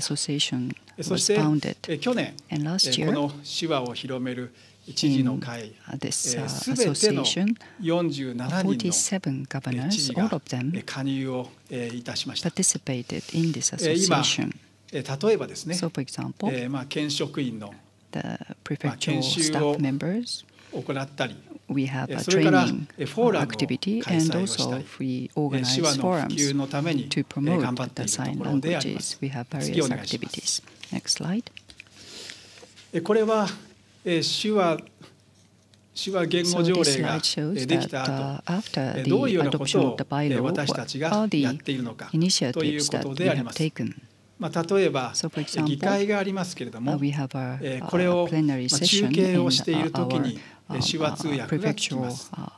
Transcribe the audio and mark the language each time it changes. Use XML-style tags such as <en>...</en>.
<ja>そして去年この手話を広める知事の会すべての47人の知事が加入をいたしました。今例えばですね、県職員の研修を行ったり、</ja> <en>We have a training activity and also we organize forums to promote the sign languages. We have various activities. Next slide.</en> <ja>これは手話言語条例ができた後、どういうようなことを私たちがやっているのかということであります。まあ、例えば議会がありますけれども、これを中継をしているときに手話通訳が来ます。</ja>